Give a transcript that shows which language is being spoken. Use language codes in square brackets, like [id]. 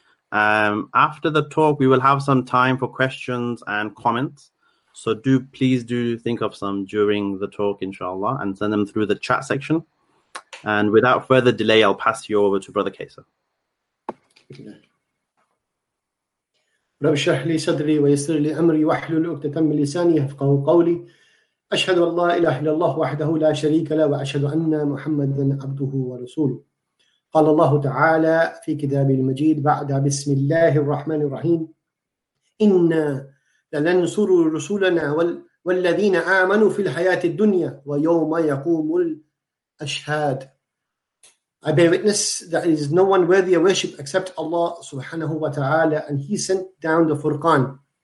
[en] After the talk, we will have some time for questions and comments. So please think of some during the talk, inshallah, and send them through the chat section. And without further delay, I'll pass you over to Brother Kaiser. [ar] رب اشرح لي صدري ويسر لي امري واحلل عقده من لساني يفقهوا قولي اشهد ان لا اله الا الله وحده لا شريك له واشهد ان محمدا عبده ورسوله قال الله تعالى في كتابه المجيد بعد بسم الله الرحمن الرحيم ان لننصر رسلنا والذين امنوا في الحياه الدنيا ويوم يقوم الاشهاد. [en] I bear witness that there is no one worthy of worship except Allah subhanahu wa ta'ala, and He sent down the Furqan.